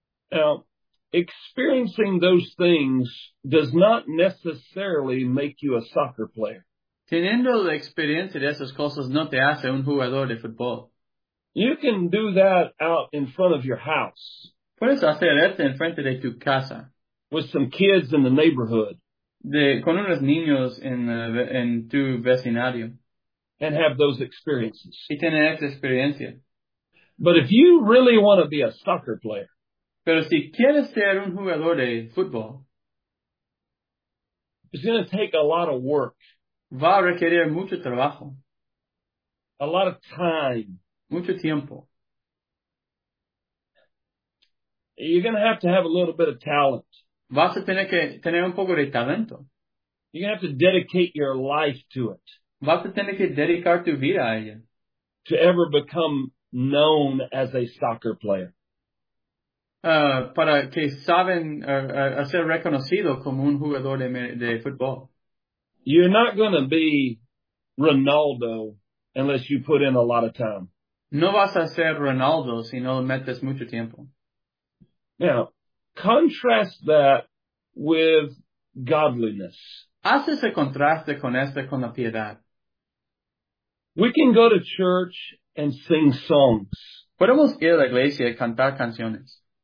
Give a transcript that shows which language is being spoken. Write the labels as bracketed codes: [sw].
[en] Now, experiencing those things does not necessarily make you a soccer player. [es] Teniendo la experiencia de esas cosas no te hace un jugador de fútbol. [en] You can do that out in front of your house. [es] Puedes hacer esto en frente de tu casa. [en] With some kids in the neighborhood. [es] Con unos niños en tu vecindario. [en] And have those experiences. [es] Y tener esa experiencia. [en] But if you really want to be a soccer player, [es] pero si quieres ser un jugador de fútbol, [en] it's going to take a lot of work. [es] Va a requerir mucho trabajo. [en] A lot of time. [es] Mucho tiempo. [en] You're going to have a little bit of talent. [es] Vas a tener que tener un poco de talento. [en] You're going to have to dedicate your life to it. [es] Vas a tener que dedicar tu vida a ella. [en] To ever become known as a soccer player. [es] Para que saben a ser reconocido como un jugador de fútbol. [en] You're not going to be Ronaldo unless you put in a lot of time. [es] No vas a ser Ronaldo si no metes mucho tiempo. [en] Now, contrast that with godliness. [es] Haz ese contraste con esta, con la piedad. [en] We can go to church and sing songs. [es] Podemos ir a la iglesia y cantar canciones.